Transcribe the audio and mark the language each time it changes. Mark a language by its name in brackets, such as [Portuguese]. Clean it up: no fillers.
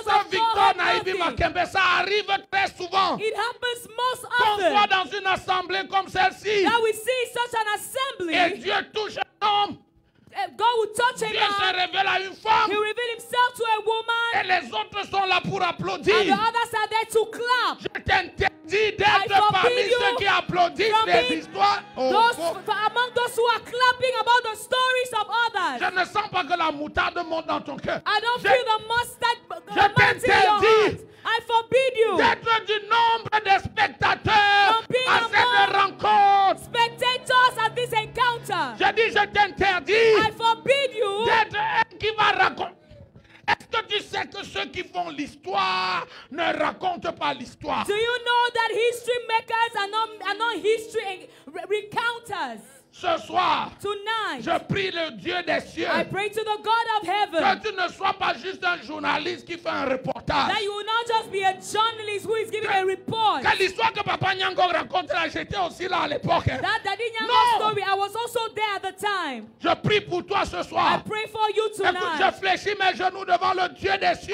[English] Pastor of Saul [French] Victor Naibi Makembe, ça arrive très souvent. [English] It happens most often. [French] Qu'on voit dans une assemblée comme celle-ci. [English] That we see such an assembly. [French] Et Dieu touche un homme. [English] God will touch [French] Dieu [English] a man. [French] Se révèle à une femme. [English] He reveal himself to a woman. [French] Et les autres sont là pour applaudir. [English] And the others are there to clap. [French] Je t'interdis d'être parmi ceux qui applaudissent les histoires. [English] Among those who are clapping about the stories of others. [French] Je ne sens pas que la moutarde monte dans ton cœur. [English] I don't feel the mustard. [French] Je t'interdis. [English] I forbid you. [French] D'être du nombre des spectateurs à cette rencontre. [English] Spectators at this encounter. [French] Je dis, je t'interdis. [English] I forbid you. [French] D'être un qui va raconter. Est-ce que tu sais que ceux qui font l'histoire ne racontent pas l'histoire? [English] Do you know that history makers are not history recounters? [French] Ce soir, [English] tonight, [French] je prie le Dieu des cieux. [English] I pray to the God of heaven. [French] Que tu ne sois pas juste un journaliste qui fait un reportage. [English] That you will not just be a journalist who is giving a report. [French] Que l'histoire que papa Ngnangock rencontra, j'étais aussi là à l'époque. [English] That Daddy Ngnangock story, I was also there at the time. [French] Je prie pour toi ce soir. [English] I pray for you tonight. [French] Écoute, je fléchis mes genoux devant le Dieu des cieux.